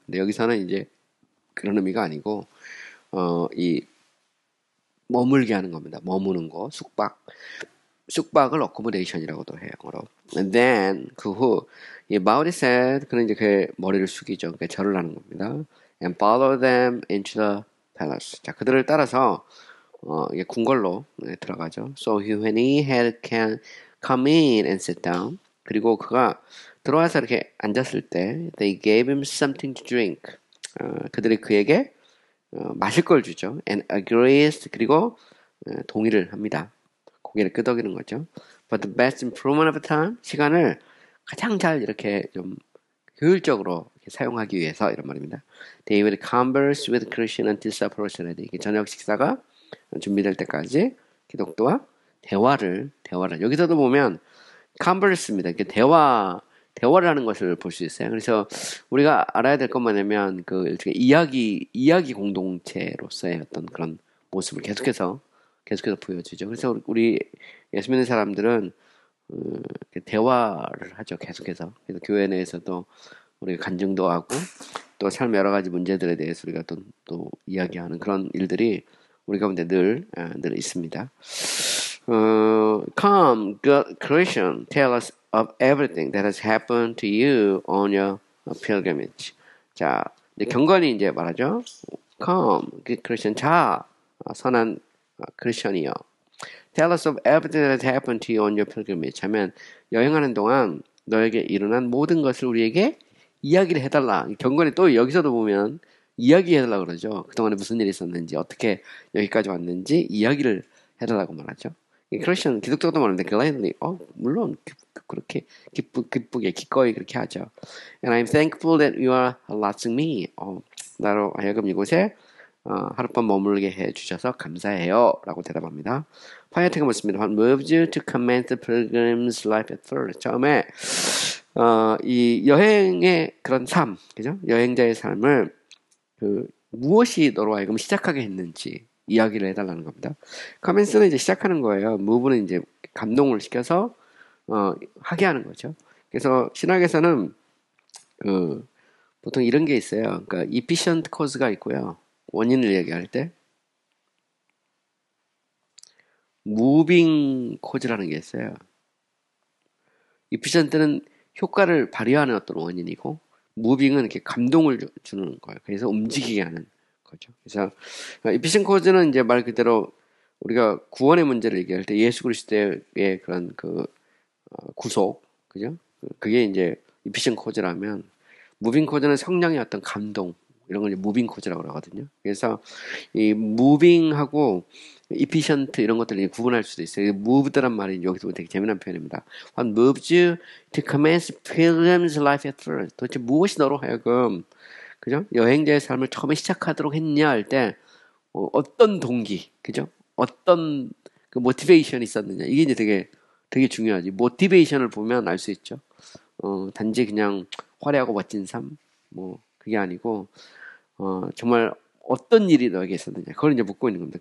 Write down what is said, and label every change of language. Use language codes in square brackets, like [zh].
[ko] 근데 여기서는 이제 그런 의미가 아니고 이 머물게 하는 겁니다. 머무는 거, 숙박. 숙박을 accommodation이라고도 해요, 영어로. [en] And then [ko] 그 후, 이 마우리셋 그는 이제 그의 머리를 숙이죠. 그 그러니까 절을 하는 겁니다. [en] And follow them into the palace. [ko] 자, 그들을 따라서 이 궁궐로 들어가죠. [en] So when he had can come in and sit down. [ko] 그리고 그가 들어와서 이렇게 앉았을 때, [en] they gave him something to drink. [ko] 그들이 그에게 마실 걸 주죠. [en] And agrees [ko] 그리고 동의를 합니다. 고개를 끄덕이는 거죠. [en] But the best improvement of time, [ko] 시간을 가장 잘 이렇게 좀 효율적으로 이렇게 사용하기 위해서 이런 말입니다. [en] They will converse with Christian until supper is ready. [ko] 저녁 식사가 준비될 때까지 기독교와 대화를. 여기서도 보면 converse입니다. 대화를 하는 것을 볼수 있어요. 그래서 우리가 알아야 될 것만 하면 그 이야기 공동체로서의 어떤 그런 모습을 계속해서 보여주죠. 그래서 우리 예수 믿는 사람들은 대화를 하죠. 계속해서 교회 내에서도 우리가 간증도 하고 또 삶의 여러 가지 문제들에 대해서 우리가 또 이야기하는 그런 일들이 우리 가운데 늘 있습니다. [en] Come, good Christian, tell us of everything that has happened to you on your pilgrimage. [ko] 자, 경건이 이제 말하죠. [en] Come, good Christian, [ko] 자, 선한 크리스천이요. [en] Tell us of everything that has happened to you on your pilgrimage. [ko] 하면 여행하는 동안 너에게 일어난 모든 것을 우리에게 이야기를 해달라. 경건이 또 여기서도 보면 이야기해달라고 그러죠. 그동안에 무슨 일이 있었는지, 어떻게 여기까지 왔는지 이야기를 해달라고 말하죠. 크리스천, 기독교도 말하는데 gladly, 물론 그렇게 기쁘게 기꺼이 그렇게 하죠. [en] And I'm thankful that you are allotting me. [ko] 나로 하여금 이곳에 하룻밤 머물게 해주셔서 감사해요 라고 대답합니다. 파이어트가 묻습니다. [en] What moved you to commence the pilgrim's life at first? [ko] 처음에 이 여행의 그런 삶, 그죠? 여행자의 삶을 무엇이 너로 하여금 시작하게 했는지 이야기를 해달라는 겁니다. Commence는 이제 시작하는 거예요. Move는 이제 감동을 시켜서 하게 하는 거죠. 그래서 신학에서는 보통 이런 게 있어요. 그러니까 efficient cause가 있고요. 원인을 얘기할 때 무빙 코즈라는 게 있어요. 이피션트는 효과를 발휘하는 어떤 원인이고 무빙은 이렇게 감동을 주는 거예요. 그래서 움직이게 하는 거죠. 그래서 이피션 코즈는 이제 말 그대로 우리가 구원의 문제를 얘기할 때 예수 그리스도의 그런 그 구속, 그죠? 그게 이제 이피션 코즈라면 무빙 코즈는 성령의 어떤 감동 이런 걸 무빙 코즈라고 그러거든요. 그래서 이 무빙하고 이피션트 이런 것들을 구분할 수도 있어요. 무브드란 말이 여기서 되게 재미난 표현입니다. [en] What moved you to commence pilgrim's life at first? [ko] 도대체 무엇이 너로 하여금 그죠? 여행자의 삶을 처음에 시작하도록 했냐 할 때, 어떤 동기, 그죠? 어떤 그 모티베이션이 있었느냐. 이게 이제 되게 중요하지. 모티베이션을 보면 알수 있죠. 단지 그냥 화려하고 멋진 삶, 뭐 그게 아니고 정말 어떤 일이 너에게 있었느냐 그걸 이제 묻고 있는 겁니다.